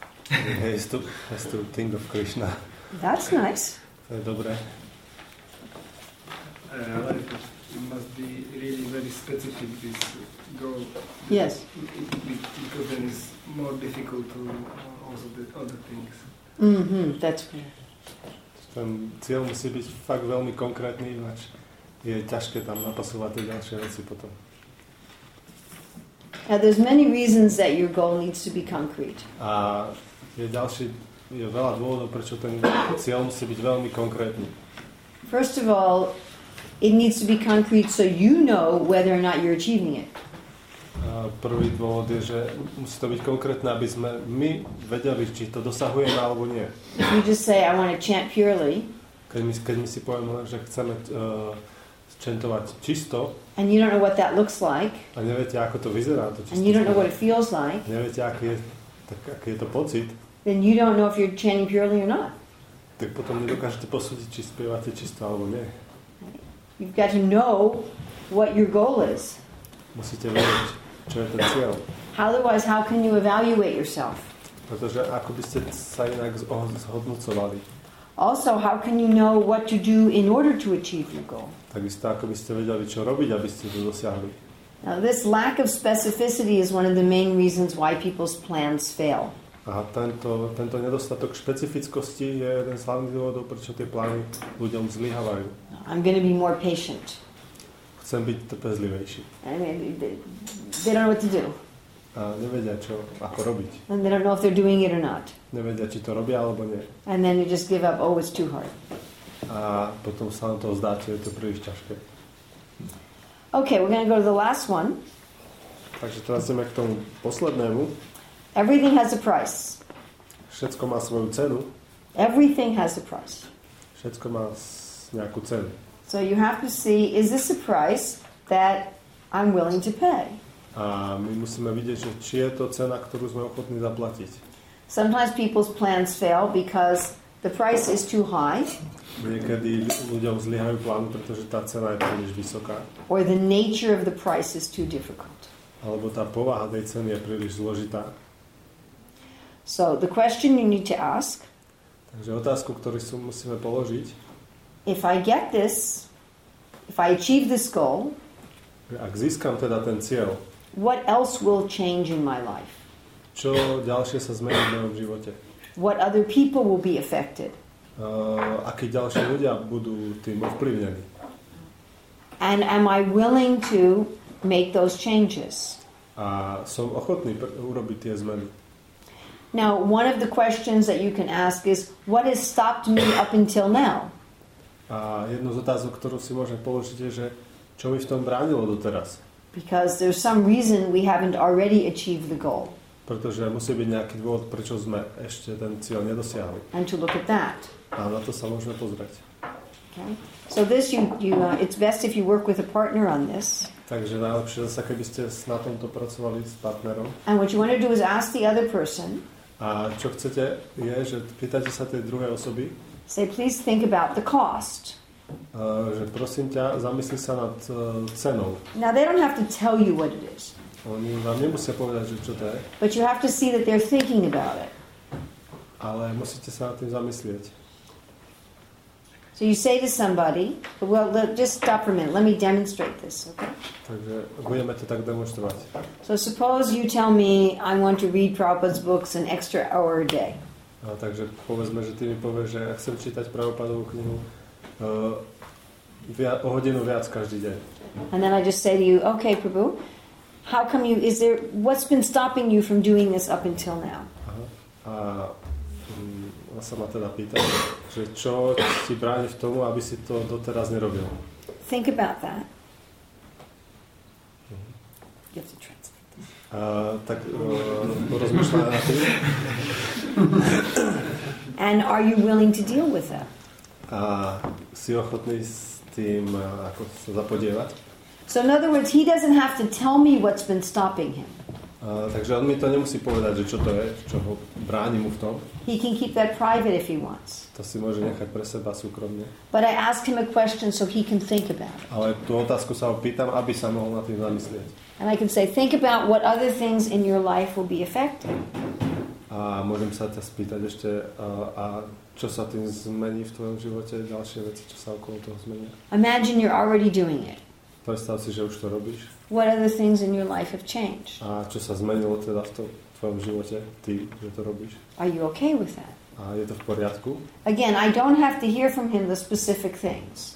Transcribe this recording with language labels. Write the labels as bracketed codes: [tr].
[en] He has to think of Krishna. That's nice. [sk] To je dobré. [en] It must be really very specific, this goal. Yes. Because then it's more difficult to also the other things. Mm-hmm, that's [sk] ten cieľ musí byť fakt veľmi konkrétny, ináč je ťažké tam napasovať tie ďalšie veci potom. [en] Now there's many reasons that your goal needs to be concrete. [sk] A je ďalší, je veľa dôvodov, prečo ten cieľ musí byť veľmi konkrétny. [en] First of all, it needs to be concrete so you know whether or not you're achieving it. [sk] Prvý dôvod je, že musí to byť konkrétne, aby sme my vedeli, či to dosahujeme alebo nie. [en] If you just say, I want to chant purely. [sk] Keď my si povieme, že chceme chantovať čisto. [en] And you don't know what that looks like. [sk] A neviete, ako to vyzerá, to čisto. [en] And you don't know what it feels like. [sk] Neviete, aký je to pocit. [en] Then you don't know if you're chanting purely or not. [sk] Tak potom nedokážete posúdiť, či spievate čisto alebo nie. [en] You've got to know what your goal is. [sk] Musíte vedieť, čo je ten cieľ. [en] Otherwise, how can you evaluate yourself? [sk] Pretože ako by ste sa inak zhodnocovali? [en] Also, how can you know what to do in order to achieve your goal? [sk] Takisto, ako by ste vedeli, čo robiť, aby ste to dosiahli. [en] Now, this lack of specificity is one of the main reasons why people's plans fail. [sk] A tento nedostatok špecifickosti je jeden z hlavných dôvodov, prečo tie plány ľuďom zlyhávajú. [en] I'm going to be more patient. [sk] Chcem byť trpezlivejší. [en] They don't know what to do. [sk] A nevedia, čo, ako robiť. [en] And they don't know if they're doing it or not. [sk] Nevedia, či to robia, alebo nie. [en] And then you just give up, oh, it's too hard. [sk] A potom sa vám to zdá, či je to príliš ťažké. [en] Okay, we're going to go to the last one. [sk] Takže teraz ideme k tomu poslednému. [en] Everything has a price. [sk] Všetko má svoju cenu. [en] Everything has a price. [sk] Všetko má nejakú cenu. [en] So you have to see, is this a price that I'm willing to pay? [sk] A my musíme vidieť, že či je to cena, ktorú sme ochotní zaplatiť. [en] Sometimes people's plans fail because the price is too high. [sk] Niekedy ľuďom zlyhajú plány, pretože tá cena je príliš vysoká. [en] Or the nature of the price is too difficult. [sk] Alebo tá povaha tej ceny je príliš zložitá. [en] So the question you need to ask. [sk] Takže otázku, ktorú si musíme položiť. [en] If I get this, if I achieve this goal, [sk] ak získam teda ten cieľ, [en] what else will change in my life? [sk] Čo ďalšie sa zmení v mojom živote? [en] What other people will be affected? [sk] Akí ďalší ľudia budú tým ovplyvnení? [en] And am I willing to make those changes? [sk] A som ochotný urobiť tie zmeny. [en] Now, one of the questions that you can ask is, what has stopped me up until now? [sk] A jednu z otázok, ktorú si môžem položiť, je, že čo mi v tom bránilo doteraz? [en] Because there's some reason we haven't already achieved the goal. [sk] Pretože musí byť nejaký dôvod, prečo sme ešte ten cieľ nedosiahli. [en] And to look at that. [sk] A na to sa môžeme pozrieť. [en] Okay. So this, it's best if you work with a partner on this. [sk] Takže najlepšie zase, keby ste na tomto pracovali s partnerom. [en] And what you want to do is ask the other person. [sk] A čo chcete je, že pýtate sa tej druhej osoby. [en] Say, please think about the cost. [sk] Že prosím ťa, zamysli sa nad cenou. [en] Now they don't have to tell you what it is. [sk] Oni vám nemusia povedať, že čo to je. [en] But you have to see that they're thinking about it. [sk] Ale musíte sa nad tým zamyslieť. [en] So you say to somebody, well, just stop for a minute. Let me demonstrate this, okay? [sk] Takže budeme to tak demonstrovať. [en] So suppose you tell me I want to read Prabhupada's books an extra hour a day. [sk] A takže povedzme, že ty mi povieš, že ja chcem čítať Prabhupádovú knihu o hodinu viac každý deň. [en] And then I just say to you, okay, Prabhu, how come you, is there, what's been stopping you from doing this up until now? [sk] A sa ma teda pýta, že čo ti bráni v tomu, aby si to doteraz nerobil? [en] Think about that. You have to try. [sk] Tak rozmýšľam na to. [en] And are you willing to deal with that? [sk] Si ochotný s tým ako sa zapodievať? [en] So in other words, he doesn't have to tell me what's been stopping him. [sk] Takže on mi to nemusí povedať, že čo to je, čo ho bráni mu v tom. [en] He can keep that private if he wants. [sk] To si môže nechať pre seba súkromne. [en] But I ask him a question so he can think about it. [sk] Ale tú otázku sa ho pýtam, aby sa mohol na tým zamyslieť. [en] And I can say, think about what other things in your life will be affected. [sk] A môžem sa ťa spýtať ešte, a čo sa tým zmení v tvojom živote, ďalšie veci, čo sa okolo toho zmenia. [en] Imagine you're already doing it. [sk] Predstav si, že už to robíš. [en] What other things in your life have changed? [sk] A čo sa zmenilo teda v tvojom živote, ty, že to robíš? [en] Are you okay with that? [sk] A je to v poriadku? [en] Again, I don't have to hear from him the specific things.